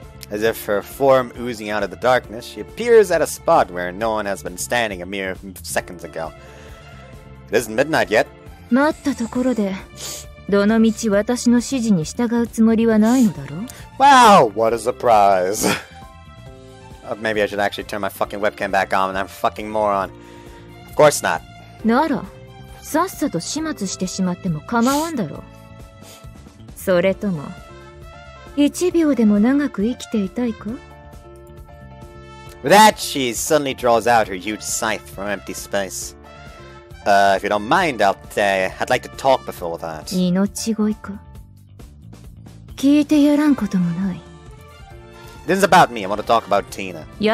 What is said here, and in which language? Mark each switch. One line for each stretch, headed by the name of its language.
English: As if her form oozing out of the darkness, she appears at a spot where no one has been standing a mere seconds ago. It isn't midnight yet.
Japanese: 待ったところで、どの道私の指示に従うつもりはないのだろう?
English: Wow, what a surprise. Maybe I should actually turn my fucking webcam back on and I'm fucking moron. Of course not.
Japanese: なら、さっさと始末してしまっても構わんだろう。それとも、1秒でも長く生きていたいか?
English: With that, she suddenly draws out her huge scythe from empty space. If you don't mind, I'd like to talk before that.
Japanese: 命乞いか? 聞いてやらんこともない。
English: This is about me, I want to talk about Tina.